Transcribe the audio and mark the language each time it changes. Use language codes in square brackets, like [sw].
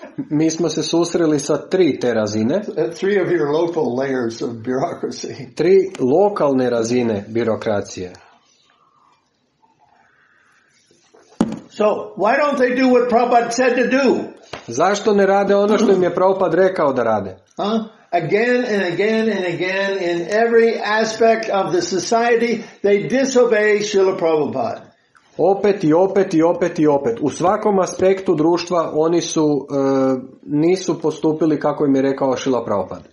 [hr] Mi smo se susreli sa tri te razine. [en] Three of your local layers of bureaucracy. [hr] Tri lokalne razine birokracije. [en] So, why don't they do what Prabhupada said to do? [hr] Zašto ne rade ono što im je Prabhupada rekao da rade? [en] Again and again and again in every aspect of the society they disobey Srila Prabhupada. [hr] Opet i opet i opet i opet. U svakom aspektu društva oni su nisu postupili kako im je rekao Srila Prabhupada.